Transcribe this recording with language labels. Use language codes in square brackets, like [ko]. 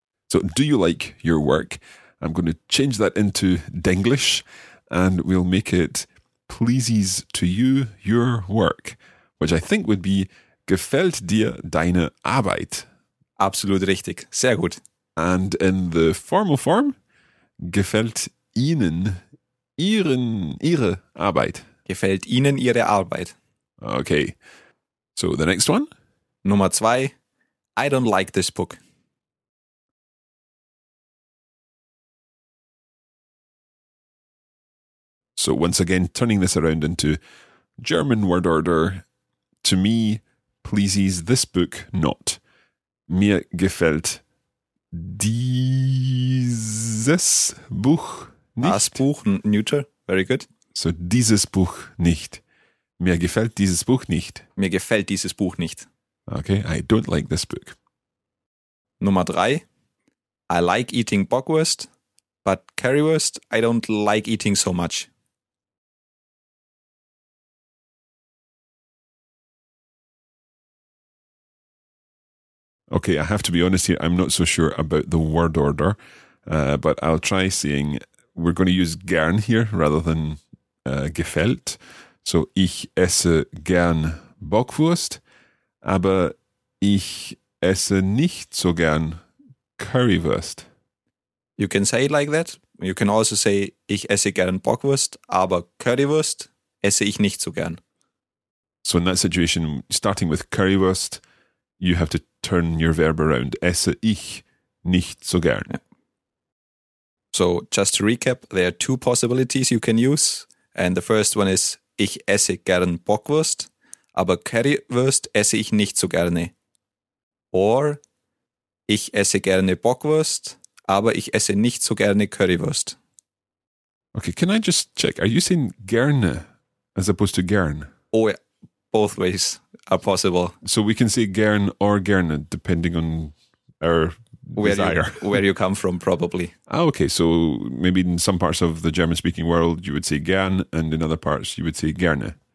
[en] So, do you like your work? I'm going to change that into Denglish, and we'll make it pleases to you your work, which I think would be [de] gefällt dir deine Arbeit. Absolut richtig. Sehr gut. [en] And in the formal form, [de] gefällt ihnen ihre Arbeit. Gefällt ihnen ihre Arbeit. [en] Okay. So the next one. [de] Nummer zwei. [en] I don't like this book. So once again, turning this around into German word order, to me pleases this book not. [de] Mir gefällt dieses Buch nicht. Das Buch, neutral, [en] very good. [de] So dieses Buch nicht. Mir gefällt dieses Buch nicht. Mir gefällt dieses Buch nicht. [en] Okay, I don't like this book. [de] Nummer drei. [en] I like eating bockwurst, but currywurst I don't like eating so much. Okay, I have to be honest here, I'm not so sure about the word order, but I'll try saying, we're going to use gern here rather than gefällt. [de] So, ich esse gern Bockwurst, aber ich esse nicht so gern Currywurst. [en] You can say it like that. You can also say, [de] ich esse gern Bockwurst, aber Currywurst esse ich nicht so gern. [en] So, in that situation, starting with Currywurst, you have to turn your verb around. [de] Esse ich nicht so gern. Yeah. [en] So, just to recap, there are two possibilities you can use. And the first one is, [de] ich esse gern Bockwurst, aber Currywurst esse ich nicht so gerne. Or, ich esse gerne Bockwurst, aber ich esse nicht so gerne Currywurst. [en] Okay, can I just check? Are you saying gerne as opposed to gern? Oh, yeah. Both ways are possible. So we can say gern or gerne, depending on our where desire. Where you come from, probably. Ah, okay, so maybe in some parts of the German-speaking world, you would say gern, and in other parts, you would say gerne.